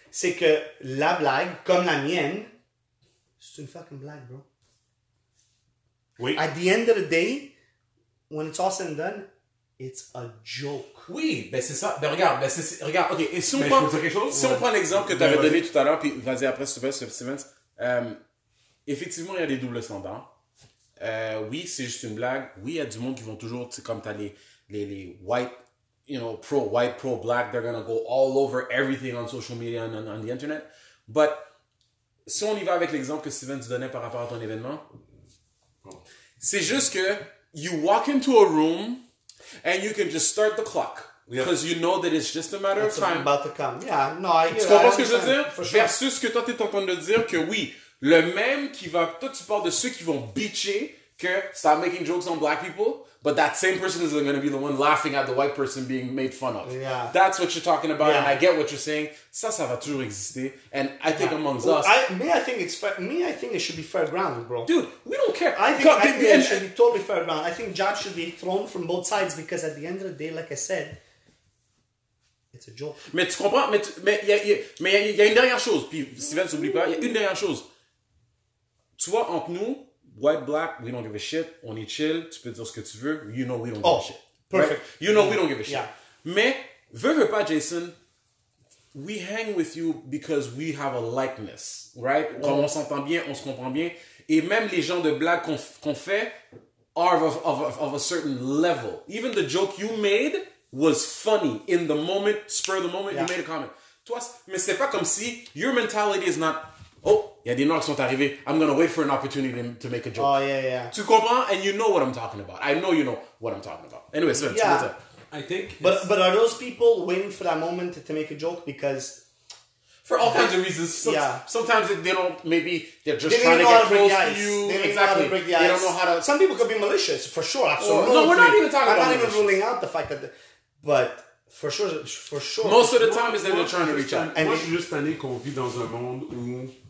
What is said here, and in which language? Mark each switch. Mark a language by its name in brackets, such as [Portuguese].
[French] C'est que la blague, comme la mienne, c'est une fucking blague, bro. Oui. [English] At the end of the day, when it's all said and done, it's a joke. [French] Oui, ben c'est ça. Ben regarde, ben c'est, regarde. Ok, et si on prend, si on prend l'exemple que tu avais donné tout à l'heure, puis vas-y après, s'il te plaît, Stevens. Effectivement, il y a des doubles standards. Oui, c'est juste une blague. Oui, il y a du monde qui vont toujours, c'est comme t'as les white, [English] you know, pro white, pro black. They're gonna go all over everything on social media and on the internet. [French] But si on y va avec l'exemple que Stevens donnait par rapport à ton événement, c'est juste que [English] you walk into a room. And you can just start the clock. Because you know that it's just a matter of time. About to come. Yeah, no, I [French] get it. Tu comprends ce que je veux dire? Sure. Versus ce que toi, t'es en train de dire que oui, le même qui va... Toi, tu parles de ceux qui vont bitcher que [English] stop making jokes on black people, but that same person is going to be the one laughing at the white person being made fun of. Yeah. That's what you're talking about. Yeah. And I get what you're saying. [French] Ça, ça va toujours exister. [English] And I think yeah. amongst well, us... I think it should be fair ground, bro. Dude, we don't care. I think it should be totally fair ground. I think jobs should be thrown from both sides because at the end of the day, like I said, it's a joke. [French] Mais tu comprends? Mais il y a une dernière chose. Puis Steven, s'oublie pas. Il y a une dernière chose. Tu vois, entre nous, white, black, [English] we don't give a shit. [French] On est chill. Tu peux dire ce que tu veux. [English] You know we don't give a shit. Perfect. Right? You know we don't give a shit. Yeah. [French] Mais, veux pas, [English] Jason, we hang with you because we have a likeness. Right? Mm-hmm. [French] Comme on s'entend bien, on se comprend bien. Et même les gens de blague qu'on fait [English] are of a certain level. Even the joke you made was funny in the moment, spur of the moment, yeah. you made a comment. [French] Toi, mais c'est pas comme si [English] your mentality is not... [French] Oh, il y a des noirs qui sont arrivés. [English] I'm going to wait for an opportunity to make a joke. Oh, yeah, yeah. [French] Tu comprends? [English] And you know what I'm talking about. I know you know what I'm talking about. Anyway, Sven, yeah. what's up? I think... But are those people waiting for that moment to make a joke? Because... For all kinds of reasons. Sometimes they don't... Maybe they're just trying to get close to you. Exactly. They don't know how to... Some people could be malicious, for sure. Absolutely. No, we're not even talking about malicious. I'm not even ruling out the fact that... But... For sure. Most of the time is that they're trying to reach out. [French] Moi, je suis juste tanné qu'on vit dans un monde où...